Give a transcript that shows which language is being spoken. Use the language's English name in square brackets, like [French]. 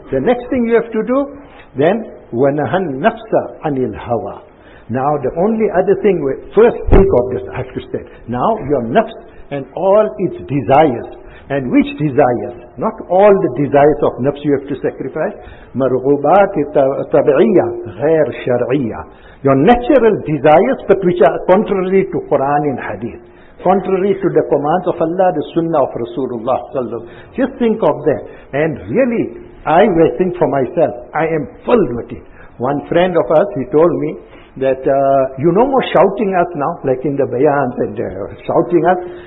[English] The next thing you have to do, then [Arabic] وَنَهَا النَّفْسَ عَنِ الْهَوَى. [English] Now the only other thing, first think of this, I have to say. Now your nafs and all its desires. And which desires? Not all the desires of nafs you have to sacrifice. [Arabic] مرغوبات طبعية غير شرعية. [English] Your natural desires, but which are contrary to Quran and Hadith. Contrary to the commands of Allah, the Sunnah of Rasulullah sallallahu alaihi wasallam. Just think of that. And really, I will think for myself. I am filled with it. One friend of us, he told me, that you no more shouting us now, like in the bayans and shouting us.